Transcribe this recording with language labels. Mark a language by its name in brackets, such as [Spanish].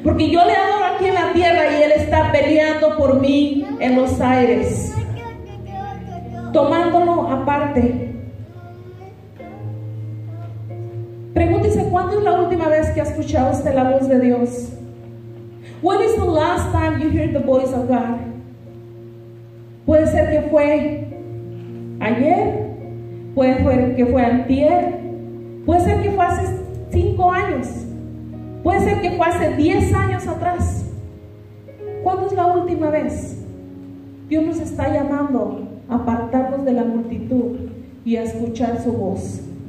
[Spanish] Porque yo le adoro aquí en la tierra y Él está peleando por mí en los aires. Tomándolo aparte. Pregúntese, ¿cuándo es la última vez que ha escuchado usted la voz de Dios? [English] When is the last time you heard the voice of God? [Spanish] Puede ser que fue ayer, puede ser que fue antier, puede ser que fue hace 5 años. Puede ser que fue hace 10 años atrás. ¿Cuándo es la última vez? Dios nos está llamando a apartarnos de la multitud y a escuchar su voz.